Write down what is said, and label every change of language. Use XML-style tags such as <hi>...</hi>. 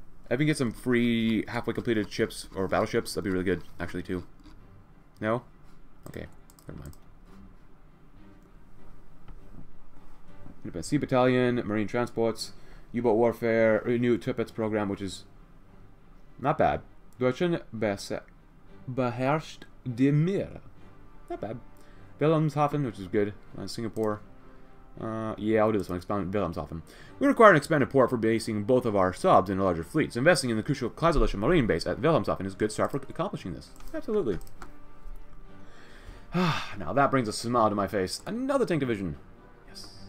<en>If we get some free, halfway completed ships, or battleships, that'd be really good, actually, too. No? Okay, never mind. Independent Sea Battalion, Marine Transports, U-boat Warfare, Renew Tirpitz Program, which is not bad.</en> <de>Deutschen beherrscht die Meer.</de> <en>Not bad. Wilhelmshaven, which is good, in Singapore. Yeah, I'll do this one. Expand Wilhelmshaven. We require an expanded port for basing both of our subs in larger fleets. Investing in the crucial Kaiserliche Marine base at Wilhelmshaven is a good start for accomplishing this. Absolutely. Now that brings a smile to my face. Another tank division. Yes.</en>